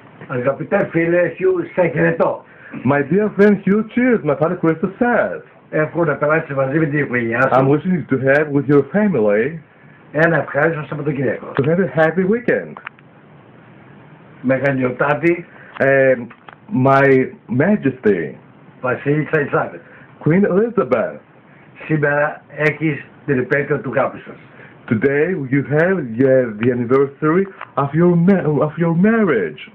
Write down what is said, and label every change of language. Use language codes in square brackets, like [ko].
[el] Αγαπητέ φίλε, Χιού, σε χαιρετώ. [en] My dear friend Hugh, cheers, my father Christus says. [el] Εύχομαι να περάσει μαζί με την οικογένειά σου. [en] I'm wishing to have with your family. [el] Ένα ευχάριστο Σαββατοκύριακο. [en] To have a happy weekend. [el] Μεγαλειοτάτη. [en] My Majesty. [el] Βασίλισσα Ελισάβετ. [en] Queen Elizabeth. [el] Σήμερα έχεις την επέτειο του γάμου σας. [en] Today you have the anniversary of your marriage.